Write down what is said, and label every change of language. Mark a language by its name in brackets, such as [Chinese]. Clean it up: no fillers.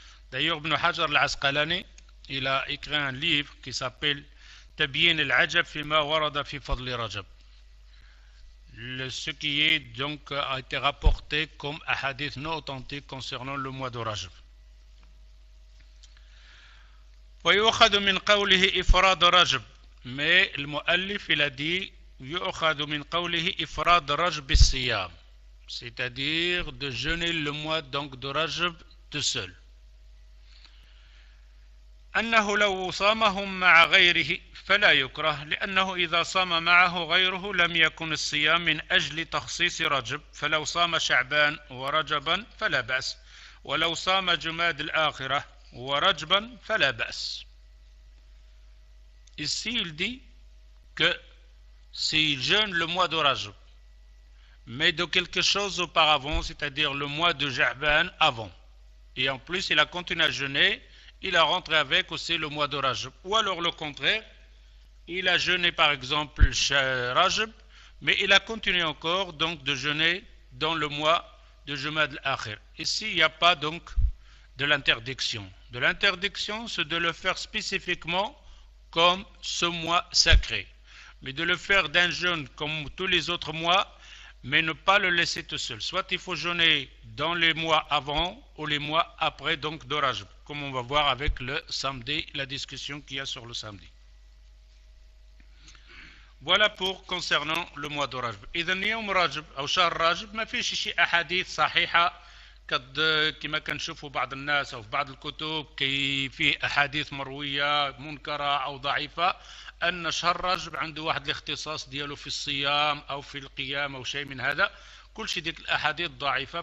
[French] D'ailleurs, Ibn Hajar al-Asqalani, il a écrit un livre qui s'appelle Tabiyin al-Ajab fima warada fi fadli Rajab, ce qui est donc a été rapporté comme un hadith non authentique concernant le mois d'orage. [Arabic] ويؤخذ من قوله إفراد رجب ما المؤلف الذي يؤخذ من قوله إفراد رجب الصيام [French] c'est-à-dire de jeûner le mois donc de Rajab tout seul. [Arabic] أنه لو صامهم مع غيره فلا يكره لأنه إذا صام معه غيره لم يكن الصيام من أجل تخصيص رجب، فلو صام شعبان ورجبا فلا بأس، ولو صام جماد الآخرة ورجبًا فلا بأس. [French] Ici il dit que s'il jeûne le mois de Rajab, mais de quelque chose auparavant, c'est-à-dire le mois de Ja'ban avant, et en plus il a continué à jeûner, il a rentré avec aussi le mois de Rajab. Ou alors le contraire, il a jeûné par exemple Rajab, mais il a continué encore donc de jeûner dans le mois de Jumad al-Akhir. Ici il n'y a pas donc de l'interdiction. De l'interdiction, c'est de le faire spécifiquement comme ce mois sacré. Mais de le faire d'un jeûne comme tous les autres mois, mais ne pas le laisser tout seul. Soit il faut jeûner dans les mois avant ou les mois après, donc d'orage, comme on va voir avec le samedi, la discussion qu'il y a sur le samedi. Voilà pour concernant le mois d'orage. [Arabic] Idhan yawm rajab, aw shahr rajab, ma fi shi ahadith sahiha. كما كنشوفوا بعض الناس أو في بعض الكتب كي فيه أحاديث مروية منكرة أو ضعيفة أن شهر رجب عنده واحد الاختصاص دياله في الصيام أو في القيام أو شيء من هذا، كل شيء ديك الأحاديث ضعيفة.